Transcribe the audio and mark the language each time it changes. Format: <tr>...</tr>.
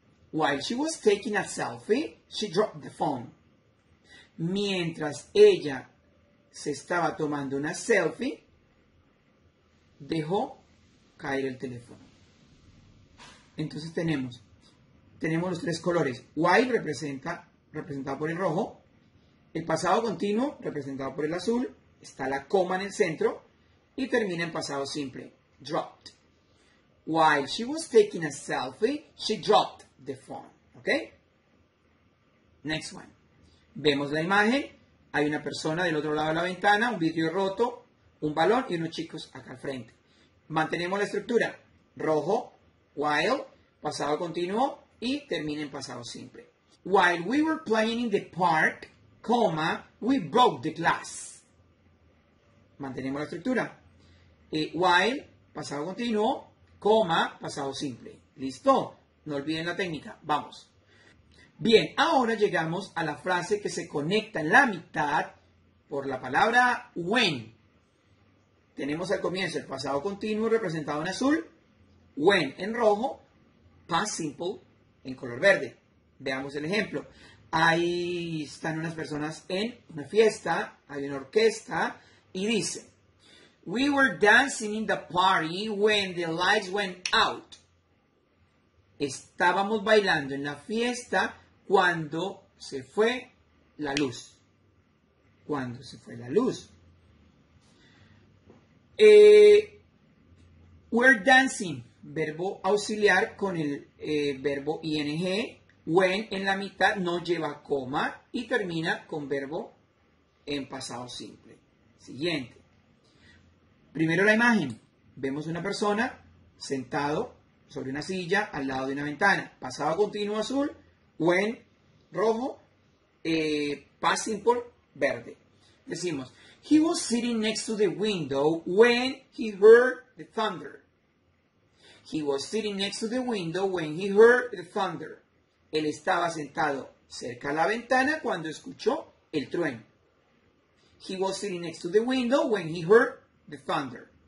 <en>While she was taking a selfie, she dropped the phone.</en> <es>Mientras ella se estaba tomando una selfie, dejó caer el teléfono. Entonces tenemos los tres colores. While representado por el rojo, el pasado continuo representado por el azul, está la coma en el centro y termina en pasado simple, dropped.</es> <en>While she was taking a selfie, she dropped the phone.</en> <es>¿Ok?</es> <en>Next one.</en> <es>Vemos la imagen. Hay una persona del otro lado de la ventana, un vidrio roto, un balón y unos chicos acá al frente. Mantenemos la estructura. Rojo, while, pasado continuo y termina en pasado simple.</es> <en>While we were playing in the park, comma, we broke the glass.</en> <es>Mantenemos la estructura. While, pasado continuo, coma, pasado simple. ¿Listo? No olviden la técnica. Vamos. Bien, ahora llegamos a la frase que se conecta en la mitad por la palabra when. Tenemos al comienzo el pasado continuo representado en azul. When en rojo. Past simple en color verde. Veamos el ejemplo. Ahí están unas personas en una fiesta. Hay una orquesta. Y dice,</es> <en>we were dancing in the party when the lights went out.</en> <es>Estábamos bailando en la fiesta cuando se fue la luz. Cuando se fue la luz.</es> <en>We're dancing,</en> <es>verbo auxiliar con el verbo ing. When en la mitad no lleva coma y termina con verbo en pasado simple. Siguiente. Primero la imagen. Vemos una persona sentado sobre una silla al lado de una ventana. Pasado continuo azul, when rojo, past simple verde. Decimos,</es> <en>he was sitting next to the window when he heard the thunder. He was sitting next to the window when he heard the thunder.</en> <es>Él estaba sentado cerca a la ventana cuando escuchó el trueno.</es> <en>He was sitting next to the window when he heard the thunder.</en>